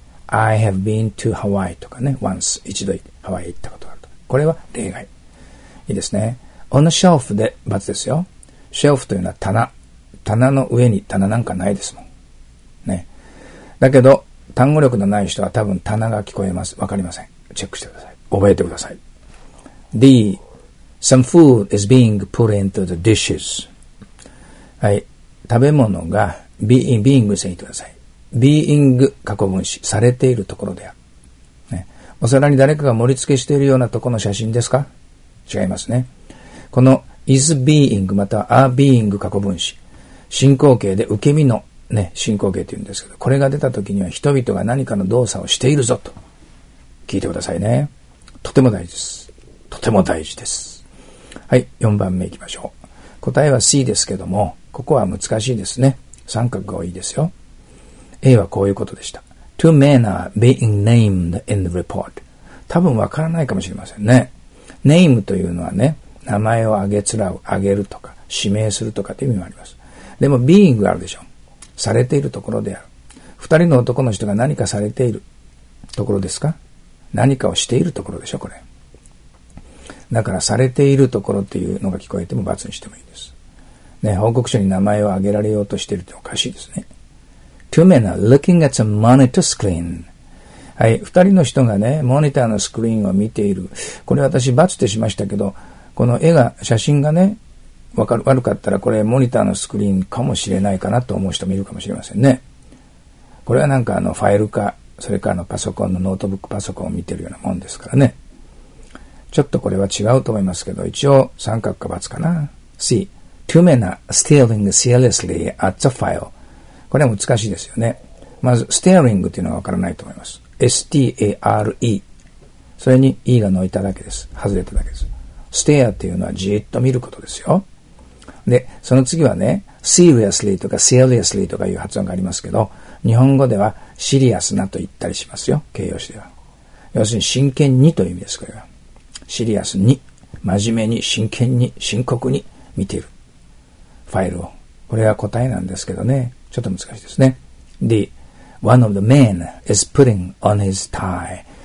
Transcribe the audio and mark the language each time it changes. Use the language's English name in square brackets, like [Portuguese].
[English] I have been to Hawaii [Japanese] とかね。once 一度ハワイ行ったことがあると。これは例外。いいですね。 [English] on the shelf [Japanese] で×ですよ。 shelf というのは棚。棚の上に棚なんかないですもん。ね。だけど、単語力のない人は多分棚が聞こえます。わかりません。チェックしてください。覚えてください。D. [English] Some food is being put into the dishes. [Japanese] はい。食べ物が being せんてください。 being 過去分詞。されているところである、ね。お皿に誰かが盛り付けしているようなところの写真ですか？違いますね。この is being または are being 過去分詞。進行形で受け身のね、進行形って言うんですけど、これが出た時には人々が何かの動作をしているぞと聞いてくださいね。とても大事です。とても大事です。はい、4番目行きましょう。答えは C ですけども、ここは難しいですね。三角が多いですよ。 A はこういうことでした。 [English] Two men are being named in the report. [Japanese] 多分わからないかもしれませんね。Name というのはね、名前をあげつらう、あげるとか、指名するとかという意味もあります。でも、being あるでしょ。されているところである。二人の男の人が何かされているところですか？何かをしているところでしょ、これ。だから、されているところというのが聞こえても、罰にしてもいいです。ね、報告書に名前をあげられようとしているっておかしいですね。 [English] Two men are looking at a monitor screen. [Japanese] はい、二人の人がね、モニターのスクリーンを見ている。これ私、罰ってしましたけど、この絵が、写真がね、悪かったら、これ、モニターのスクリーンかもしれないかなと思う人もいるかもしれませんね。これはなんか、ファイルか、それか、パソコンのノートブックパソコンを見てるようなもんですからね。ちょっとこれは違うと思いますけど、一応、三角か×かな。 [English] C. Two men are staring seriously at the file. [Japanese] これは難しいですよね。まず、staring というのがわからないと思います。S-T-A-R-E。それに E が乗いただけです。外れただけです。stare っていうのはじっと見ることですよ。で、その次はね、seriously とか seriously とかいう発音がありますけど、日本語ではシリアスなと言ったりしますよ。形容詞では。要するに真剣にという意味です、これは。シリアスに、真面目に、真剣に、深刻に見ている。ファイルを。これが答えなんですけどね。ちょっと難しいですね。 D. One of the men is putting on his tie.